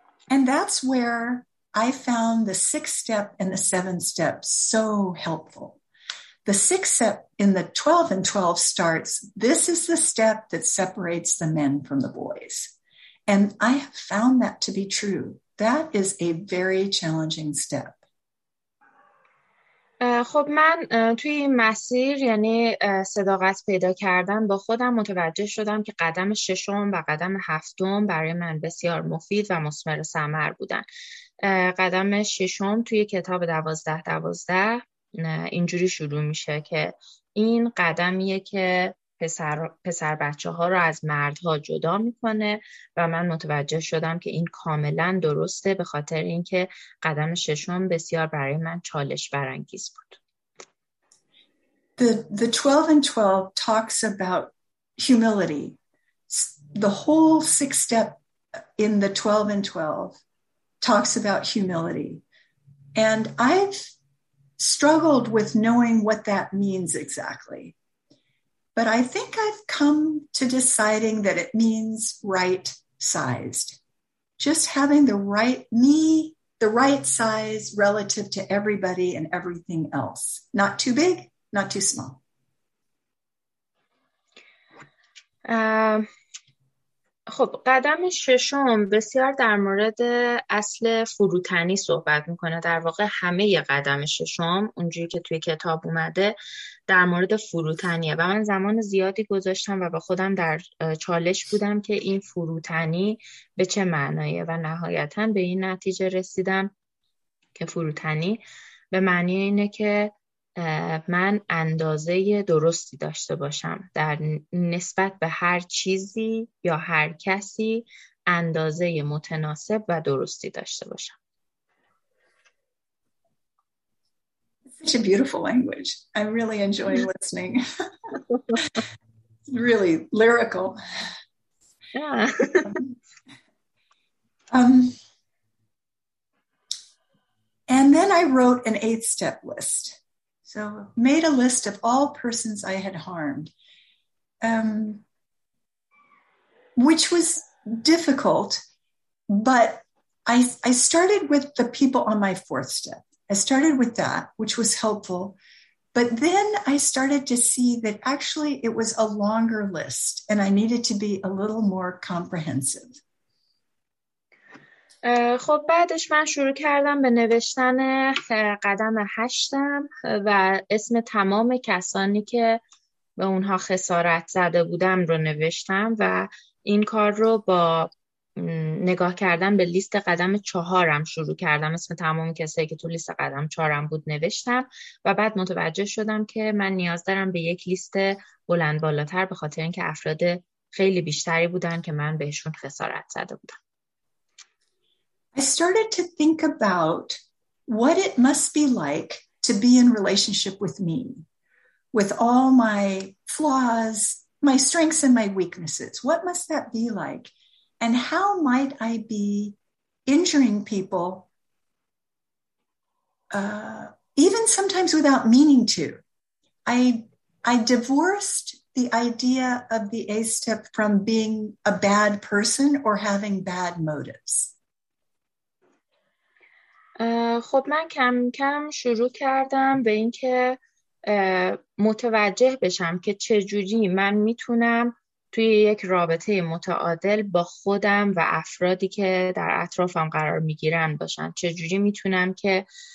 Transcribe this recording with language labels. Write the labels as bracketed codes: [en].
[en] And that's where I found the sixth step and the seventh step so helpful. The sixth step in the 12 and 12 starts, this is the step that separates the men from the boys. And I have found that to be true. That is a very challenging step. [fa] خب من توی این مسیر یعنی صداقت پیدا کردن با خودم متوجه شدم که قدم ششم و قدم هفتم برای من بسیار مفید و مثمر ثمر بودن. قدم ششم توی کتاب دوازده دوازده اینجوری شروع میشه که این قدمیه که پسر بچه ها رو از مردها جدا میکنه و من متوجه شدم که این کاملا درسته به خاطر اینکه قدم ششم بسیار برای من چالش برانگیز بود. [en] The 12 and 12 talks about humility. The whole sixth step in the 12 and 12 talks about humility. And I've struggled with knowing what that means exactly. But I think I've come to deciding that it means right sized. Just having the right knee, the right size relative to everybody and everything else. Not too big, not too small. [fa] خب قدم ششم بسیار در مورد اصل فروتنی صحبت میکنه. در واقع همه ی قدم ششم اونجوری که توی کتاب اومده در مورد فروتنیه و من زمان زیادی گذاشتم و با خودم در چالش بودم که این فروتنی به چه معناییه و نهایتا به این نتیجه رسیدم که فروتنی به معنی اینه که من اندازه درستی داشته باشم در نسبت به هر چیزی یا هر کسی اندازه متناسب و درستی داشته باشم. [en] Such a beautiful language. I really enjoy listening. Really lyrical. Yeah. And then I wrote an 8-step list. So made a list of all persons I had harmed, which was difficult, but I started with the people on my 4th step. I started with that, which was helpful. But then I started to see that actually it was a longer list and I needed to be a little more comprehensive. [fa] خب بعدش من شروع کردم به نوشتن قدم 8 و اسم تمام کسانی که به اونها خسارت زده بودم رو نوشتم و این کار رو با نگاه کردم به لیست قدم 4 شروع کردم. اسم تمام کسایی که تو لیست قدم 4 بود نوشتم و بعد متوجه شدم که من نیاز دارم به یک لیست بلند بالاتر به خاطر اینکه افراد خیلی بیشتری بودن که من بهشون خسارت زده بودم. [en] I started to think about what it must be like to be in relationship with me, with all my flaws, my strengths and my weaknesses. What must that be like? And how might I be injuring people, even sometimes without meaning to? I divorced the idea of the A-step from being a bad person or having bad motives. [fa] خب من کم کم شروع کردم به اینکه متوجه بشم که چجوری من میتونم توی یک رابطه متعادل با خودم و افرادی که در اطرافم قرار میگیرن باشم، چجوری میتونم که